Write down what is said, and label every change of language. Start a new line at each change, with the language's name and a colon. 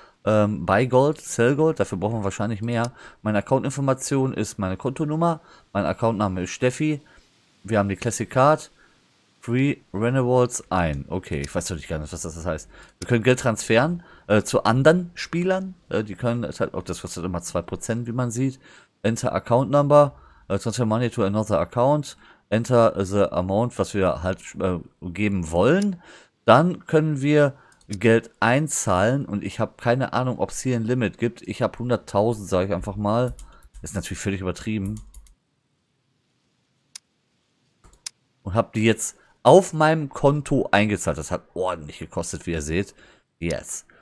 German: Buy Gold, Sell Gold, dafür brauchen wir wahrscheinlich mehr. Meine Accountinformation ist meine Kontonummer. Mein Accountname ist Steffi. Wir haben die Classic Card. Free Renewals ein. Okay, ich weiß natürlich gar nicht, was das heißt. Wir können Geld transferen zu anderen Spielern. Die können, das kostet immer 2%, wie man sieht.
English: Enter Account Number. Transfer money to another account. Enter the amount,
German: was wir halt geben wollen. Dann können wir Geld einzahlen und ich habe keine Ahnung, ob es hier ein Limit gibt. Ich habe 100.000, sage ich einfach mal. Ist natürlich völlig übertrieben. Und habe die jetzt auf meinem Konto eingezahlt. Das hat ordentlich gekostet, wie ihr seht. Yes.